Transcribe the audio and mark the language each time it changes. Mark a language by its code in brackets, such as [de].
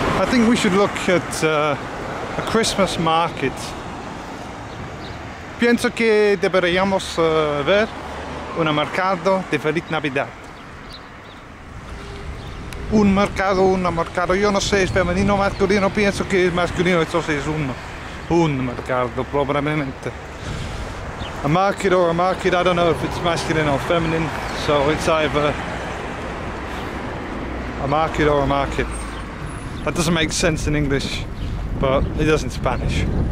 [en] think we should look at a Christmas market. [es] Pienso que deberíamos ver un mercado de Feliz Navidad. Un mercado, yo no sé, es femenino o masculino, pienso que es masculino, eso sí es un mercado, probablemente. [en] A market or a market, I don't know if it's masculine or feminine, so it's either a market or a market. That doesn't make sense in English, but it does in Spanish.